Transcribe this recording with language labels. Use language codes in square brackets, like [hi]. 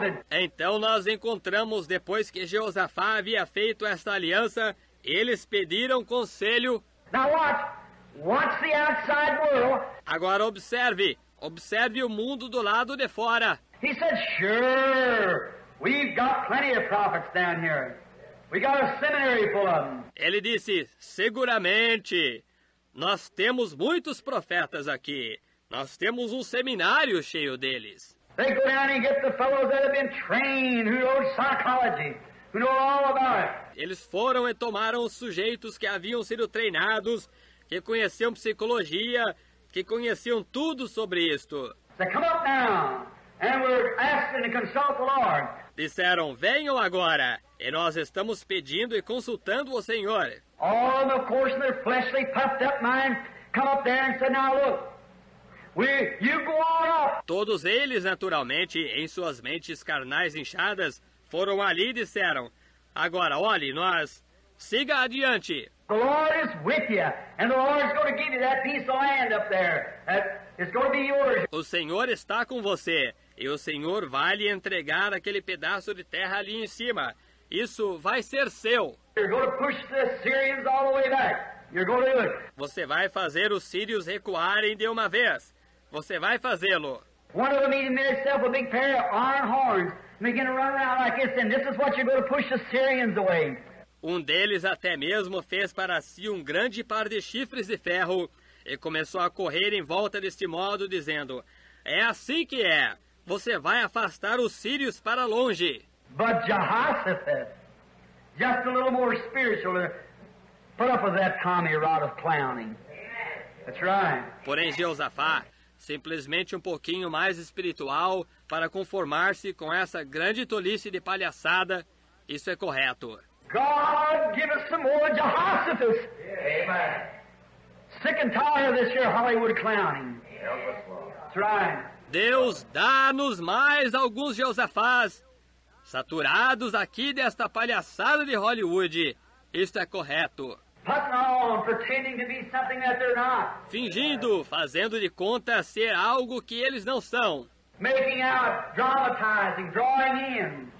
[pt] Então nós encontramos, depois que Jeosafá havia feito esta aliança, eles pediram conselho. [en] Watch the outside world. [pt] Agora observe o mundo do lado de fora. [en] He said, sure, We've got plenty of prophets down here. We got a seminary full of them. [pt] Ele disse, seguramente, nós temos muitos profetas aqui. Nós temos seminário cheio deles. [en] They go down and get the fellows that have been trained, who know psychology, who know all about it. [pt] Eles foram e tomaram os sujeitos que haviam sido treinados, que conheciam psicologia, que conheciam tudo sobre isto. [en] They come up now. And we're asking to consult the Lord. [pt] Disseram, venham agora, e nós estamos pedindo e consultando o Senhor. [en] All of the course of their fleshly puffed up minds come up there and said, now look, you go on up. [pt] Todos eles, naturalmente, em suas mentes carnais inchadas, foram ali e disseram, agora olhe, nós, siga adiante. [en] The Lord is with you, and the Lord is going to give you that piece of land up there. It's going to be yours. [pt] O Senhor está com você, e o Senhor vai lhe entregar aquele pedaço de terra ali em cima. Isso vai ser seu. [en] You're going to push the Syrians all the way back. You're going to do it. [pt] Você vai fazer os sírios recuarem de uma vez. Você vai fazê-lo. [en] One of them even made itself a big pair of iron horns, begin to run around like this, and this is what you're going to push the Syrians away. [pt] Um deles até mesmo fez para si grande par de chifres de ferro e começou a correr em volta deste modo, dizendo, é assim que é, você vai afastar os sírios para longe. [en] But Jehoshaphat, just a little more spiritual, put up with that Tommy rod of clowning. That's right. [pt] Porém, Jeosafá, simplesmente pouquinho mais espiritual para conformar-se com essa grande tolice de palhaçada, isso é correto. [en] God, give us some more Jehoshaphats. Amen. Sick and tired of this here Hollywood clowning. That's right. [pt] Deus, dá-nos mais alguns Jeosafás, saturados aqui desta palhaçada de Hollywood. Isto é correto. [en] Putting on, pretending to be something that they're not. [pt] Fingindo, fazendo de conta ser algo que eles não são. [en] Making out, dramatizing, drawing in.